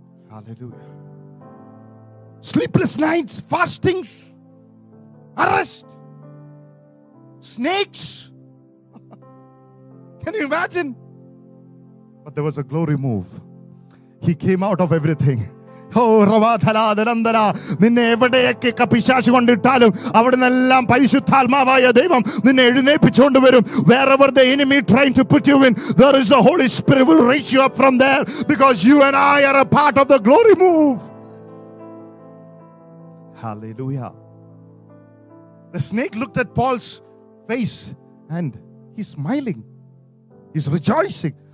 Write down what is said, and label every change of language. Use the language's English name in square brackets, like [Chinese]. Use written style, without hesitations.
[English] Hallelujah. Sleepless nights, fastings, arrest, snakes. Can you imagine? But there was a glory move. He came out of everything. [Malayalam] ഓ റവാധലാദനന്ദന, നിന്നെ എവിടെയൊക്കെ പിശാച്ചു കൊണ്ടിട്ടാലും അവിടെ നിന്നെല്ലാം പരിശുദ്ധാത്മാവായ ദൈവം നിന്നെ എഴുന്നേൽപ്പിച്ചുകൊണ്ട് വരും. [English] Wherever the enemy trying to put you in, there is the Holy Spirit will raise you up from there, because you and I are a part of the glory move. Hallelujah. The snake looked at Paul's face and he's smiling. He's rejoicing.